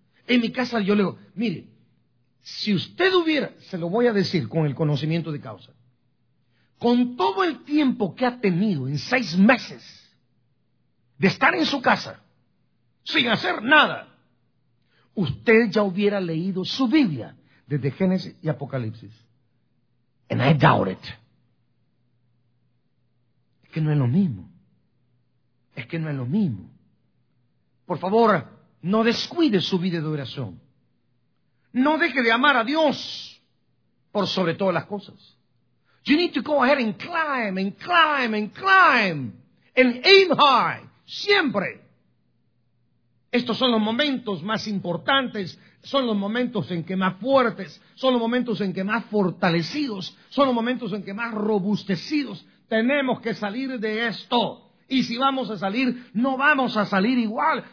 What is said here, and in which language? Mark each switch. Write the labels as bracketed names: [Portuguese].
[Spanish] En mi casa yo le digo, mire, si usted hubiera, se lo voy a decir con el conocimiento de causa, con todo el tiempo que ha tenido en 6 meses de estar en su casa, sin hacer nada, usted ya hubiera leído su Biblia desde Génesis y Apocalipsis. [English] And I doubt it. [Spanish] Es que no es lo mismo. Es que no es lo mismo. Por favor, no descuide su vida de oración. No deje de amar a Dios por sobre todas las cosas. [English] You need to go ahead and climb, and climb, and climb, and aim high, siempre. [Spanish] Estos son los momentos más importantes, son los momentos en que más fuertes, son los momentos en que más fortalecidos, son los momentos en que más robustecidos Tenemos que salir de esto. Y si vamos a salir, no vamos a salir igual.